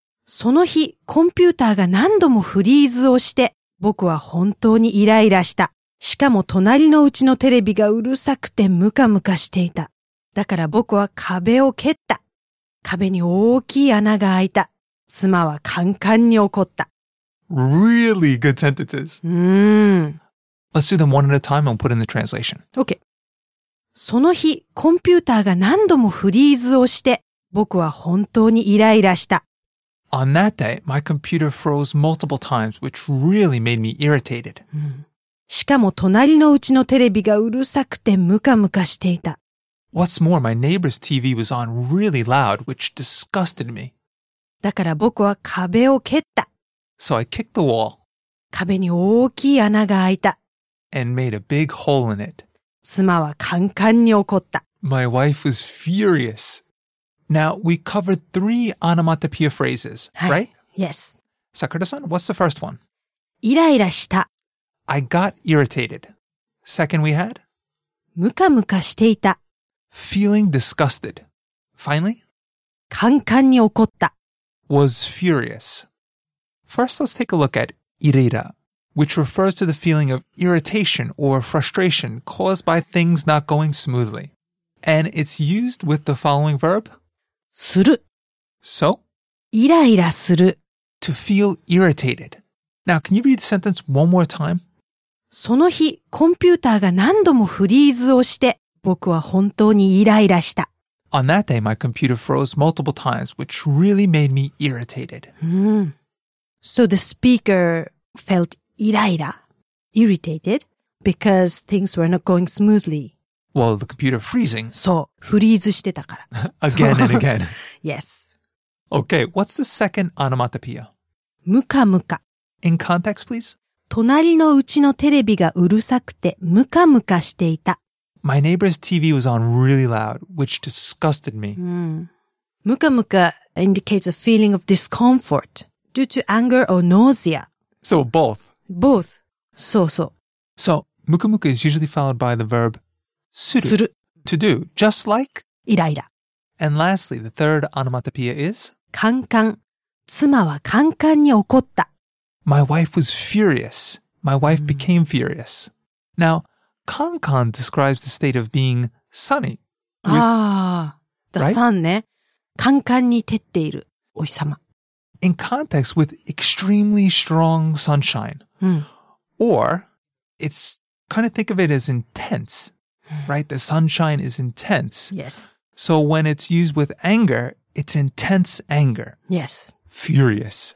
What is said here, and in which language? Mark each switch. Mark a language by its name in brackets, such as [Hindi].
[Japanese] その日、コンピューターが何度もフリーズをして、僕は本当にイライラした。しかも隣のうちのテレビがうるさくてムカムカしていた。だから僕は壁を蹴った。壁に大きい穴が開いた。妻はカンカンに怒った。 [English] Really good sentences. Let's do them one at a time and put in the translation. Okay. [Japanese] その日、コンピューターが何度もフリーズをして、僕は本当にイライラした。 [English] On that day, my computer froze multiple times, which really made me irritated. [Japanese] しかも隣のうちのテレビがうるさくてムカムカしていた。 [English] What's more, my neighbor's TV was on really loud, which disgusted me. [Japanese] だから僕は壁を蹴った。 [English] So I kicked the wall. [Japanese] 壁に大きい穴が開いた。 [English] And made a big hole in it. [Japanese] 妻はカンカンに怒った。 [English] My wife was furious. Now, we covered three onomatopoeia phrases, right? Yes. Sakura-san, what's the first one? [Japanese] イライラした。 [English] I got irritated. Second we had? [Japanese] ムカムカしていた。 [English] Feeling disgusted. Finally, [Japanese] カンカンに怒った [English] was furious. First, let's take a look at イライラ, which refers to the feeling of irritation or frustration caused by things not going smoothly. And it's used with the following verb, [Japanese] する. [English] So, [Japanese] イライラする [English] to feel irritated. Now, can you read the sentence one more time? [Japanese] その日、コンピューターが何度もフリーズをして僕は本当にイライラした。 [English] On that day, my computer froze multiple times, which really made me irritated. So the speaker felt irritated, because things were not going smoothly. Well, the computer freezing. [Japanese] そう、フリーズしてたから。 [English] Again and again. Yes. Okay, what's the second onomatopoeia? [Japanese] ムカムカ。 [English] In context, please. [Japanese] 隣のうちのテレビがうるさくてムカムカしていた。 [English] My neighbor's TV was on really loud, which disgusted me. Muka muka indicates a feeling of discomfort due to anger or nausea. So both. Both. So so. So, muka muka is usually followed by the verb [Japanese] suru, [English] to do, just like [Japanese] iraira. [English] And lastly, the third onomatopoeia is [Japanese] kankan. 妻はカンカンに怒った. [English] My wife was furious. My wife became furious. Now,カンカン describes the state of being sunny. The sun, ね。 [Japanese] カンカンに照っているお日様。 [English] In context with extremely strong sunshine. Or, it's kind of think of it as intense, right? The sunshine is intense. Yes. So when it's used with anger, it's intense anger. Yes. Furious.